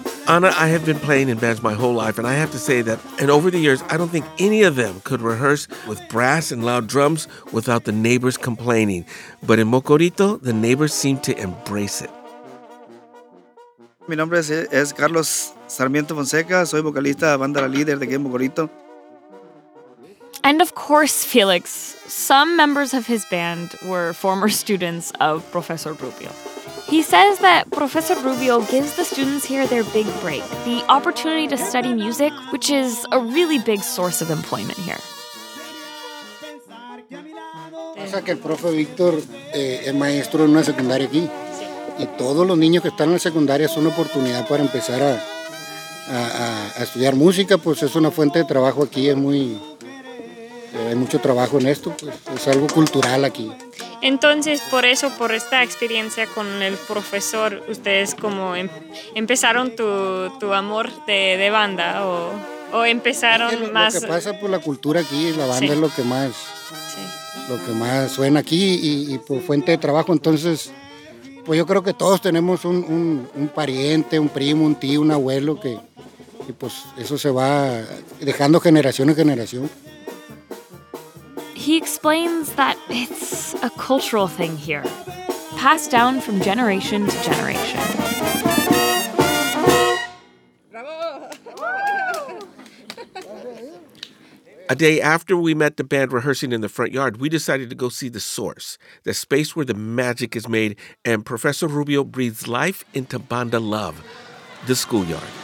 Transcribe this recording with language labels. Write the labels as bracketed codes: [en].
[en] Anna, I have been playing in bands my whole life, and I have to say that, and over the years, I don't think any of them could rehearse with brass and loud drums without the neighbors complaining. But in Mocorito, the neighbors seem to embrace it. [es] Mi nombre es Carlos Sarmiento Fonseca. Soy vocalista de Banda La Líder de aquí en Mocorito. [en] And of course, Felix, some members of his band were former students of Professor Rubio. He says that Professor Rubio gives the students here their big break, the opportunity to study music, which is a really big source of employment here. [es] O sea que el profe Víctor es maestro en una secundaria aquí. y todos los niños que están en la secundaria son una oportunidad para empezar a estudiar música, pues es una fuente de trabajo aquí, es muy, hay mucho trabajo en esto, pues es algo cultural aquí. Entonces, por eso, por esta experiencia con el profesor, ¿ustedes como empezaron tu amor de banda o empezaron lo, más...? Lo que pasa por la cultura aquí, la banda sí. Es lo que más, sí. Lo que más suena aquí y por fuente de trabajo. Entonces, pues yo creo que todos tenemos un pariente, un primo, un tío, un abuelo, que y pues eso se va dejando generación en generación. [en] He explains that it's a cultural thing here, passed down from generation to generation. A day after we met the band rehearsing in the front yard, we decided to go see the source, the space where the magic is made, and Professor Rubio breathes life into banda love, the schoolyard.